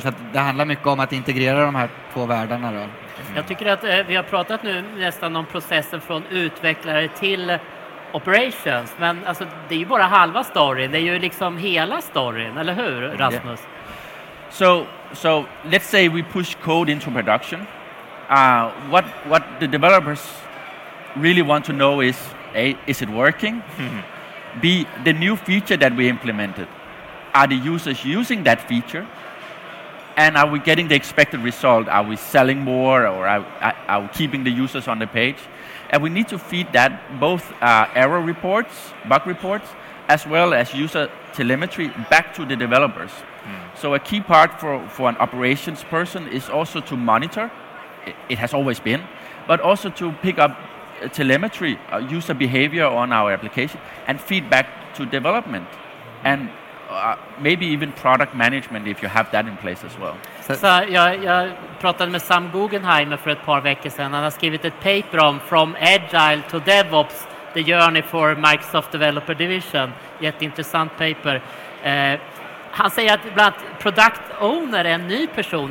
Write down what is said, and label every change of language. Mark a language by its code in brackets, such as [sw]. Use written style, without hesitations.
[sv] Så att det handlar mycket om att integrera de här två världarna då. Jag tycker att vi har pratat nu nästan om processen från utvecklare till operations. Men alltså, det är ju bara halva storyn. Det är ju liksom hela storyn, eller hur, Rasmus? [en] Yeah. So let's say we push code into production. What the developers really want to know is, A, is it working? B, the new feature that we implemented, are the users using that feature? And are we getting the expected result? Are we selling more, or are we keeping the users on the page? And we need to feed that both error reports, bug reports, as well as user telemetry back to the developers. So a key part for an operations person is also to monitor, it has always been, but also to pick up telemetry, user behavior on our application, and feedback to development, and maybe even product management if you have that in place as well. [sv] Så jag pratade med Sam Guggenheimer för ett par veckor sedan. Han har skrivit ett paper om From Agile to DevOps, the journey for Microsoft Developer Division. Jätteintressant paper. Han säger att bland annat product owner är en ny person.